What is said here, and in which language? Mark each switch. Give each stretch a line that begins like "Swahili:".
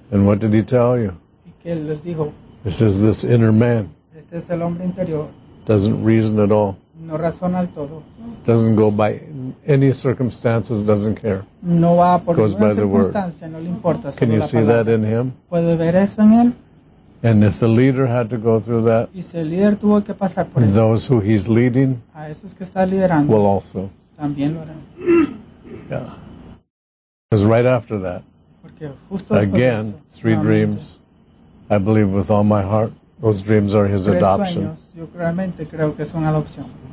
English: And what did he tell you?
Spanish: ¿Y qué les dijo?
English: This is this inner man.
Spanish: Este es el hombre interior.
English: Doesn't reason at all.
Spanish: No razona al todo.
English: Doesn't go by any circumstances, doesn't care.
Spanish: No va por ninguna circunstancia, no le importa.
English: Can you see that in him?
Spanish: ¿Puede ver eso en él?
English: And if the leader had to go through that,
Spanish: y si el líder tuvo que pasar por eso,
English: those who he's leading,
Spanish: a esos que está liderando,
English: will also.
Spanish: También lo harán.
English: Yeah. Because right after that,
Spanish: porque justo
English: again,
Spanish: después de eso,
English: three dreams, I believe with all my heart, those dreams are his adoption.
Spanish: Tres sueños, yo realmente creo que son adopción.